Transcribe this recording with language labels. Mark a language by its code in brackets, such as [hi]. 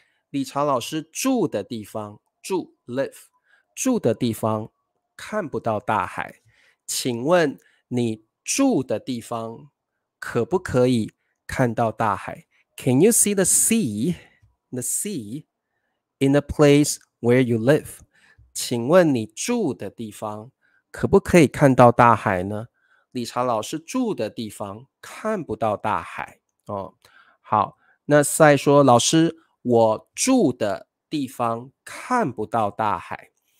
[zh] 李查老师住的地方，住 live， 住的地方看不到大海。请问你住的地方可不可以看到大海？ [en] Can you see the sea? The sea in the place where you live? [zh] 请问你住的地方可不可以看到大海呢？理查老师住的地方看不到大海、哦、好，那赛说，老师我住的地方看不到大海。